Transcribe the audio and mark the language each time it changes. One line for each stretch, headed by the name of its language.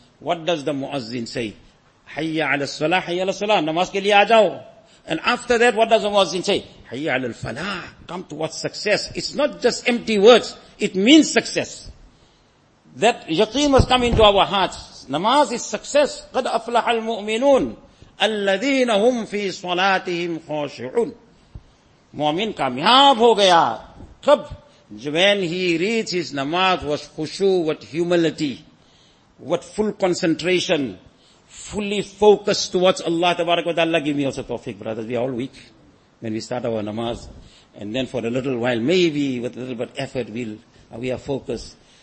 English: What does the muazzin say?
Arabic: Hayya ala salah, hayya ala salah.
Urdu: Namaz ke liye ajao.
English: And after that, what does the muazzin say?
Arabic: Hayya ala falah.
English: Come towards success. It's not just empty words. It means success. That yaqeen must come into our hearts. Namaz is success.
Arabic: قَدْ أَفْلَحَ الْمُؤْمِنُونَ الَّذِينَ هُمْ فِي صَلَاتِهِمْ خَوْشِعُونَ
Urdu: Mu'min kamyab ho gaya. Kab?
English: When he reads his namaz with khushu, with humility, with full concentration, fully focused towards Allah. Tabarak wa ta'ala, give me also tawfiq, brothers. We are all weak when we start our namaz. And then for a little while, maybe with a little bit of effort, we are focused.